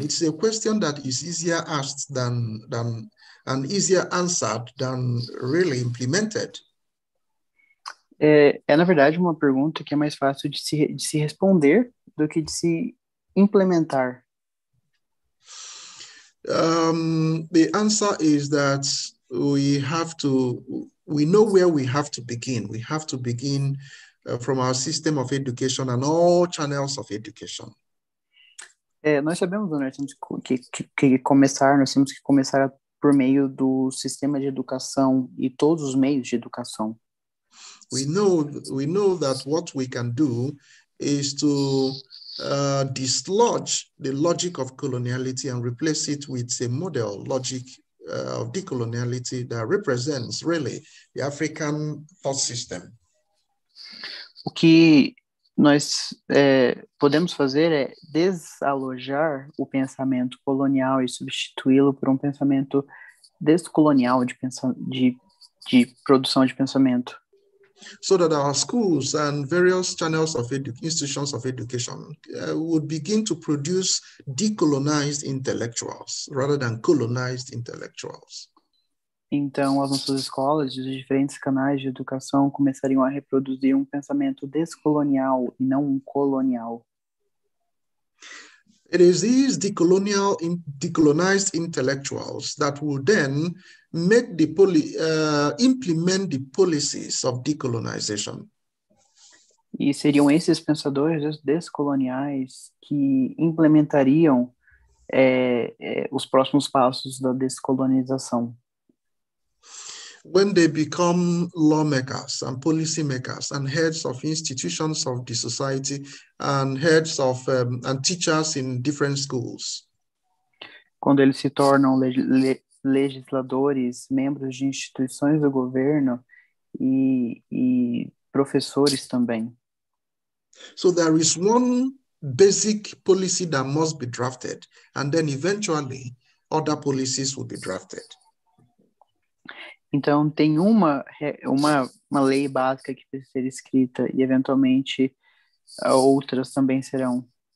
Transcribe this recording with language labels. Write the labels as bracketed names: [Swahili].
[English] It's a question that is easier asked than and easier answered than really implemented. [Portuguese] Na verdade, uma pergunta que é mais fácil de se responder do que de se implementar. [English] The answer is that we know where we have to begin. We have to begin from our system of education and all channels of education. [Portuguese] Nós sabemos, né, nós temos que começar por meio do sistema de educação e todos os meios de educação. [English] We know that what we can do is to dislodge the logic of coloniality and replace it with a model logic of decoloniality that represents really the African thought system. [Portuguese] O que nós podemos fazer é desalojar o pensamento colonial e substituí-lo por um pensamento descolonial de produção de pensamento. [English] So that our schools and various channels of institutions of education would begin to produce decolonized intellectuals rather than colonized intellectuals. [Portuguese] Então, as nossas escolas e os diferentes canais de educação começariam a reproduzir um pensamento descolonial e não um colonial. [English] It is these decolonized intellectuals that will then make the implement the policies of decolonization. [Portuguese] E seriam esses pensadores descoloniais que implementariam os próximos passos da descolonização. [English] When they become lawmakers and policymakers and heads of institutions of the society and heads of and teachers in different schools. [Portuguese] Quando eles se tornam legisladores, membros de instituições do governo e professores também. [English] So there is one basic policy that must be drafted, and then eventually other policies will be drafted. [Portuguese] Então, tem uma lei básica que precisa ser escrita e, eventualmente, outras também serão.